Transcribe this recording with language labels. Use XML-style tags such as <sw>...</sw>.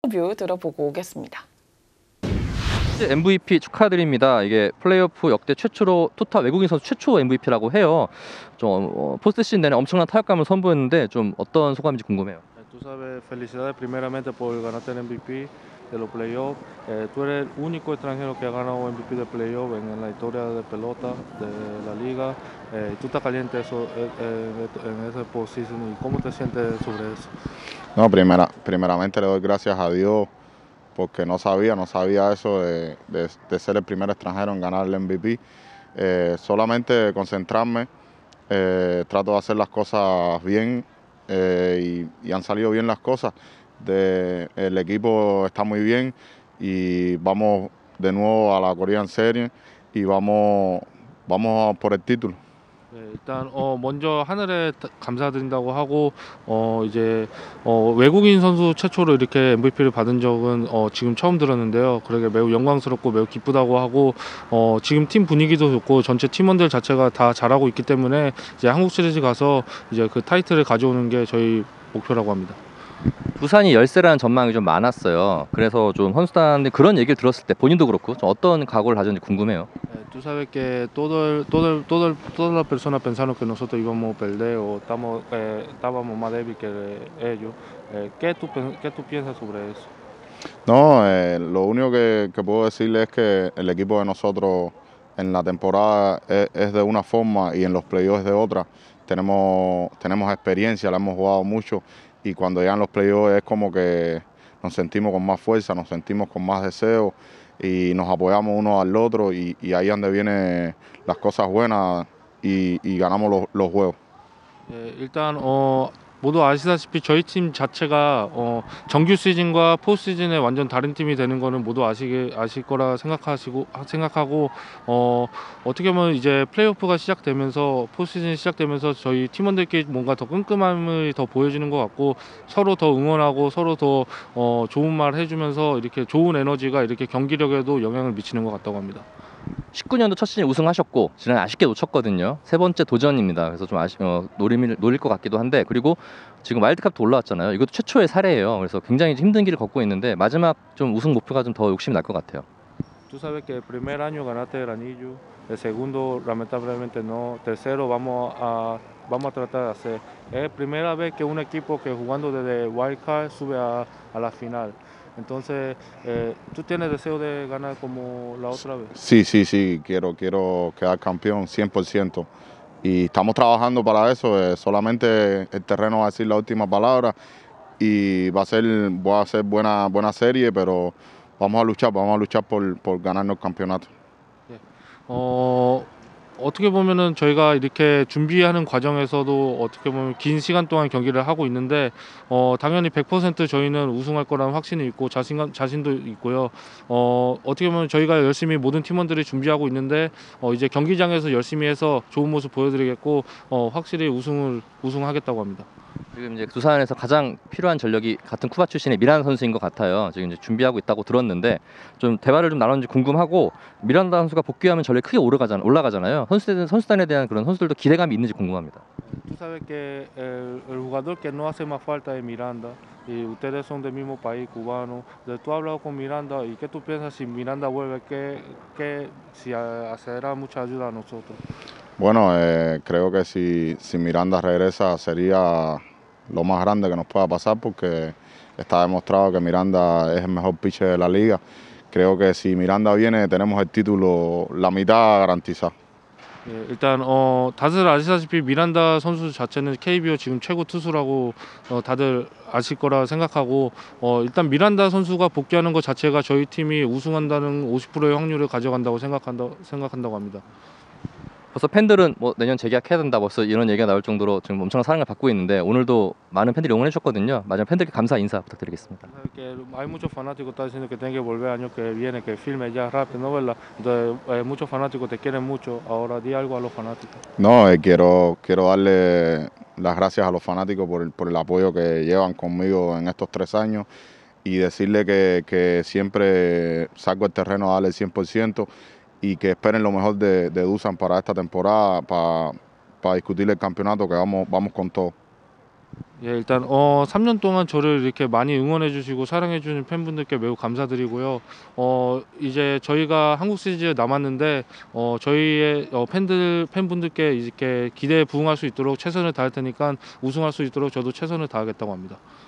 <ko>인터뷰 들어보고 오겠습니다. MVP 축하드립니다. 이게 플레이오프 역대 최초로 토탑 외국인 선수 최초 MVP라고 해요. 좀 포스트시즌 내내 엄청난 타격감을 선보였는데 좀 어떤 소감인지 궁금해요.</ko> <es>Tú sabes, felicidades primeramente por ganarte el MVP de los playoffs. Tú eres el único extranjero que ha ganado MVP de playoffs en la historia de pelota de la liga. Tú estás caliente eso, en esa posición y cómo te sientes sobre eso. No, primeramente le doy gracias a Dios porque no sabía eso de ser el primer extranjero en ganar el MVP. Solamente concentrarme, trato de hacer las cosas bien. Y han salido bien las cosas. El equipo está muy bien y vamos de nuevo a la Korean Series y vamos por el título.</es> <ko>일단 먼저 하늘에 감사드린다고 하고 이제 외국인 선수 최초로 이렇게 MVP를 받은 적은 지금 처음 들었는데요. 그러게 매우 영광스럽고 매우 기쁘다고 하고 지금 팀 분위기도 좋고 전체 팀원들 자체가 다 잘하고 있기 때문에 이제 한국 시리즈 가서 이제 그 타이틀을 가져오는 게 저희 목표라고 합니다. 부산이 열세라는 전망이 좀 많았어요. 그래서 좀 선수단이 그런 얘기를 들었을 때 본인도 그렇고 좀 어떤 각오를 가졌는지 궁금해요.</ko> <es>Tú sabes que todas las personas pensaron que nosotros íbamos a perder o estábamos más débil que ellos. ¿Qué tú piensas sobre eso? No, lo único que puedo decirle es que el equipo de nosotros en la temporada es de una forma y en los playoffs de otra. Tenemos experiencia, la hemos jugado mucho y cuando llegan los playoffs es como que nos sentimos con más fuerza, nos sentimos con más deseo. Y nos apoyamos uno al otro y ahí es donde vienen las cosas buenas y ganamos los juegos.</es> <ko>일단 모두 아시다시피 저희 팀 자체가 정규 시즌과 포스트 시즌에 완전 다른 팀이 되는 거는 모두 아실 거라 생각하고 어떻게 보면 이제 플레이오프가 시작되면서 포스트 시즌이 시작되면서 저희 팀원들끼리 뭔가 더 끈끈함을 더 보여주는 것 같고 서로 더 응원하고 서로 더 좋은 말 해주면서 이렇게 좋은 에너지가 이렇게 경기력에도 영향을 미치는 것 같다고 합니다. 19년도 첫 시즌 우승하셨고 지난해 아쉽게 놓쳤거든요. 세 번째 도전입니다. 그래서 좀 노릴 것 같기도 한데 그리고 지금 와일드컵도 올라왔잖아요. 이것도 최초의 사례예요. 그래서 굉장히 힘든 길을 걷고 있는데 마지막 좀 우승 목표가 좀 더 욕심이 날 것 같아요.</ko> <es>Tú sabes que el primer año ganaste el anillo, el segundo lamentablemente no, tercero vamos a tratar de hacer. Es la primera vez que un equipo que jugando desde wild card sube a la final. Entonces, ¿tú tienes deseo de ganar como la otra vez? Sí, quiero quedar campeón 100%. Y estamos trabajando para eso, solamente el terreno va a decir la última palabra y voy a hacer buena serie, pero vamos a luchar por ganarnos el campeonato. Yeah.</es> <ko>어떻게 보면은 저희가 이렇게 준비하는 과정에서도 어떻게 보면 긴 시간 동안 경기를 하고 있는데 당연히 100% 저희는 우승할 거라는 확신이 있고 자신도 있고요. 어떻게 보면 저희가 열심히 모든 팀원들이 준비하고 있는데 이제 경기장에서 열심히 해서 좋은 모습 보여드리겠고 확실히 우승하겠다고 합니다. 지금 이제 두산에서 가장 필요한 전력이 같은 쿠바 출신의 미란다 선수인 것 같아요. 지금 이제 준비하고 있다고 들었는데 좀 대화를 좀 나눴는지 궁금하고 미란다 선수가 복귀하면 전력이 크게 올라가잖아요. 선수단에 대한 그런 선수들도 기대감이 있는지 궁금합니다.</ko> <es>Tú sabes que el jugador que no hace más falta es Miranda y ustedes son del mismo país cubano. ¿Tú has hablado con Miranda y qué tú piensas si Miranda vuelve? ¿Qué si hará mucha ayuda a nosotros? Bueno, creo que si Miranda regresa sería lo más grande que nos pueda pasar porque está demostrado que Miranda es el mejor pitcher de la liga. Creo que si Miranda viene tenemos el título la mitad garantizada.</es> <ko>일단 다들 아시다시피 미란다 선수 자체는 KBO 지금 최고 투수라고 다들 아실 거라 생각하고 일단 미란다 선수가 복귀하는 것 자체가 저희 팀이 우승한다는 50%의 확률을 가져간다고 생각한다고 합니다. 벌써 팬들은 뭐 내년 재계약해야 된다 벌써 이런 얘기가 나올 정도로 지금 엄청난 사랑을 받고 있는데 오늘도 많은 팬들이 응원해 주셨거든요. 마지막 팬들께 감사 인사 부탁드리겠습니다.</ko> <es>Hay muchos fanáticos están diciendo que tienen que volver año que viene, que firme ya rápido, ¿no? ¿Verdad? Entonces, muchos fanáticos te quieren mucho. Ahora di algo a los fanáticos. No, quiero darle las gracias a los fanáticos por el apoyo que llevan conmigo en estos 3 años y decirle que siempre salgo al terreno a darle 100%. Y que esperen lo mejor de Dusan para esta temporada, para discutir el campeonato, que vamos con todo.</es> <ko>예, 일단 3년 동안 저를 이렇게 많이 응원해 주시고 사랑해 주는 팬분들께 매우 감사드리고요. 이제 저희가 한국 시리즈에 남았는데 저희의 팬분들께 이렇게 기대에 부응할 수 있도록 최선을 다할 테니까 우승할 수 있도록 저도 최선을 다하겠다고 합니다.</ko>